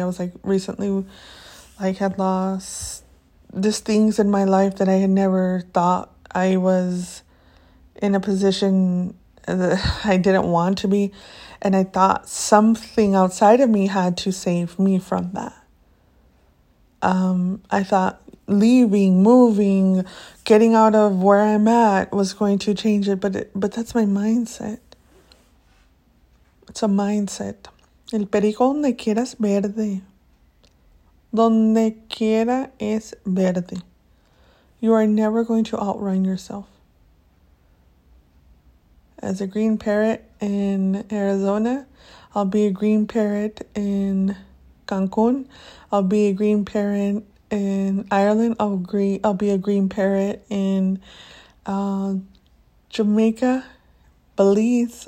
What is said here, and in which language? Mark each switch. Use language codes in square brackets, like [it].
[en] I was like, recently, like, had lost these things in my life that I had never thought I was in a position that I didn't want to be. And I thought something outside of me had to save me from that. I thought leaving, moving, getting out of where I'm at was going to change it. But that's my mindset. It's a mindset. [es] El perico donde quiera es verde. Donde quiera es verde. [en] You are never going to outrun yourself. As a green parrot in Arizona, I'll be a green parrot in Cancun. I'll be a green parrot in Ireland. I'll be a green parrot in Jamaica, Belize.